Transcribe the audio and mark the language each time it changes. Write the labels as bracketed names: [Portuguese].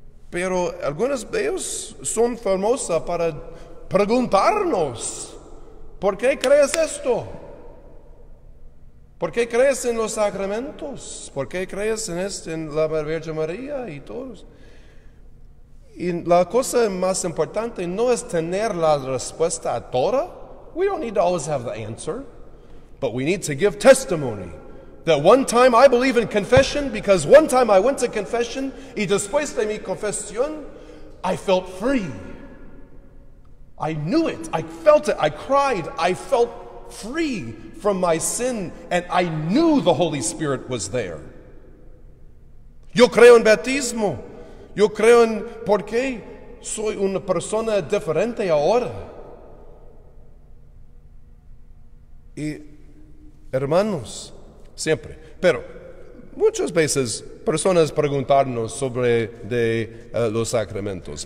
[Spanish] Pero algunas de ellos son famosas para preguntarnos, ¿por qué crees esto? ¿Por qué crees en los sacramentos? ¿Por qué crees en esto, en la Virgen María y todos? Y la cosa más importante no es tener la respuesta a toda. [English] We don't need to always have the answer, but we need to give testimony. That one time I believe in confession because one time I went to confession [Spanish] y después de mi confesión, [English] I felt free. I knew it. I felt it. I cried. I felt free from my sin and I knew the Holy Spirit was there. [Spanish] Yo creo en bautismo. Yo creo en porque soy una persona diferente ahora. Y hermanos, siempre. Pero muchas veces personas preguntarnos sobre los sacramentos.